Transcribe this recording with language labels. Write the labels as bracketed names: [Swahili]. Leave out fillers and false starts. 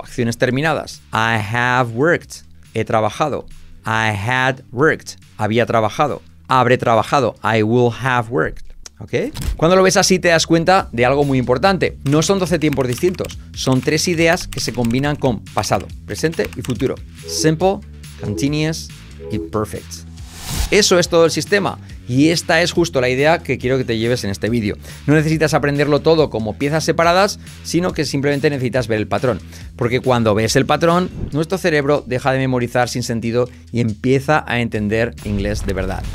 [Spanish] Acciones terminadas. [English] I have worked. [Spanish] He trabajado. [English] I had worked. [Spanish] Había trabajado. Habré trabajado. [English] I will have worked. ¿Okay? [Spanish] Cuando lo ves así te das cuenta de algo muy importante. No son 12 tiempos distintos, son 3 ideas que se combinan con pasado, presente y futuro. [English] Simple, continuous y perfect. [Spanish] Eso es todo el sistema y esta es justo la idea que quiero que te lleves en este vídeo. No necesitas aprenderlo todo como piezas separadas, sino que simplemente necesitas ver el patrón. Porque cuando ves el patrón, nuestro cerebro deja de memorizar sin sentido y empieza a entender inglés de verdad.